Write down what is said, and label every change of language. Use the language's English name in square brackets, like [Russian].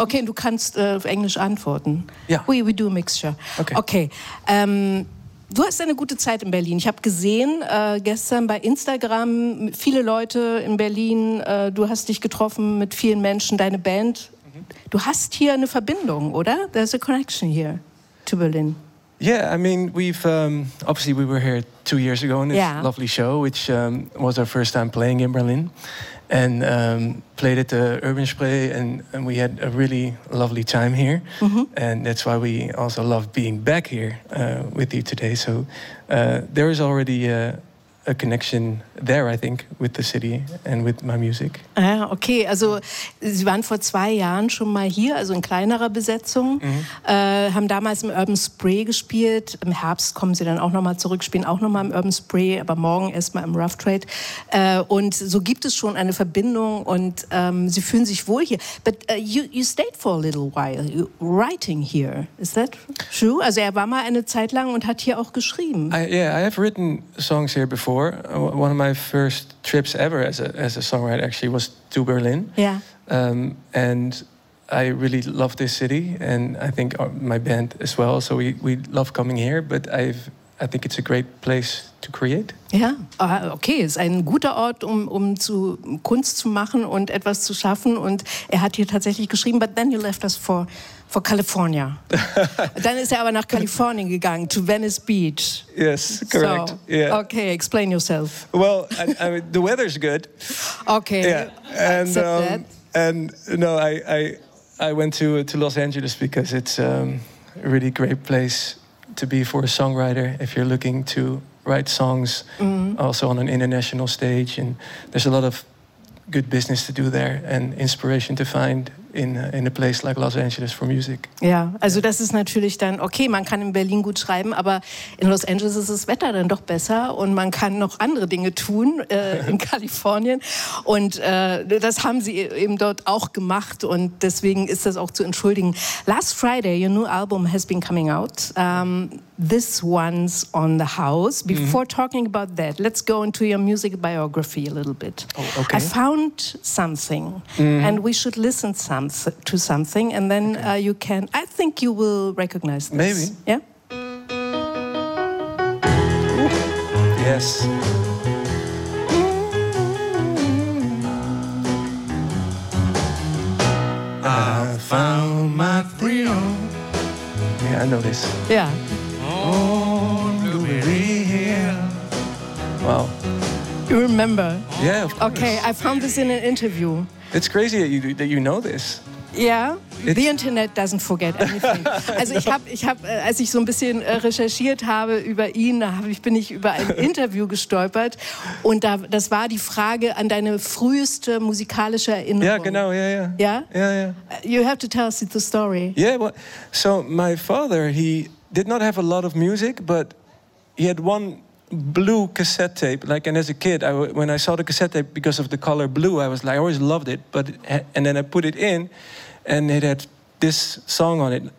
[German] Okay, und du kannst auf Englisch antworten. Ja. [English] We do a mixture. Okay. [German] Okay. Du hast eine gute Zeit in Berlin. Ich habe gesehen gestern bei Instagram viele Leute in Berlin. Du hast dich getroffen mit vielen Menschen, deine Band. Mhm. Du hast hier eine Verbindung, oder? [English] There's a connection here to Berlin. Yeah, I mean, we've obviously we were here 2 years ago on this lovely show, which was our first time playing in Berlin, and played at the Urban Spree, and we had a really lovely time here, and that's why we also love being back here with you today. So there is already a connection there, I think, with the city and with my music. Ah, okay. [German] Also, Sie waren vor 2 Jahren schon mal hier, also in kleinerer Besetzung, haben damals im Urban Spree gespielt. Im Herbst kommen Sie dann auch nochmal zurück, spielen auch nochmal im Urban Spree, aber morgen erstmal im Rough Trade. Und so gibt es schon eine Verbindung und Sie fühlen sich wohl hier. [English] But you stayed for a little while writing here. Is that true? [German] Also, er war mal eine Zeit lang und hat hier auch geschrieben. [English] I have written songs here before. One of my first trips ever as a songwriter actually was to Berlin. And I really love this city, and I think my band as well. So we love coming here, but I think it's a great place to create. [German] Okay, ist ein guter Ort, um zu Kunst zu machen und etwas zu schaffen. Und er hat hier tatsächlich geschrieben, [English] but then you left us for California. [German] Dann ist er aber nach Kalifornien gegangen, [English] to Venice Beach. Yes, correct. So, yeah. Okay, explain yourself. Well, I mean, the weather's good. Okay. Yeah. And accept that. And no, I went to Los Angeles because it's a really great place to be for a songwriter, if you're looking to write songs also on an international stage. And there's a lot of good business to do there and inspiration to find in a place like Los Angeles for music. [German] Ja, also das ist natürlich dann, okay, man kann in Berlin gut schreiben, aber in Los Angeles ist das Wetter dann doch besser und man kann noch andere Dinge tun in Kalifornien. Und das haben sie eben dort auch gemacht und deswegen ist das auch zu entschuldigen. [English] Last Friday, your new album has been coming out. This One's on the House. Before talking about that, let's go into your music biography a little bit. Oh, okay. I found something and we should listen to something and then you can, I think you will recognize this. Maybe. Yeah? Ooh. Yes. I found my freedom. Yeah, I know this. Yeah. Wow. You remember? Yeah, of course. Okay, I found this in an interview. It's crazy that you know this. Yeah, it's the internet doesn't forget anything. [German] Also ich habe, als ich so ein bisschen recherchiert habe über ihn, bin ich über ein Interview gestolpert und das war die Frage an deine früheste musikalische Erinnerung. [English] Yeah, genau, yeah, yeah. Yeah? Yeah, yeah. You have to tell us the story. Yeah, well, so my father, he did not have a lot of music, but he had one blue cassette tape. Like, and as a kid, when I saw the cassette tape, because of the color blue, I was like, I always loved it. But and then I put it in, and it had this song on it.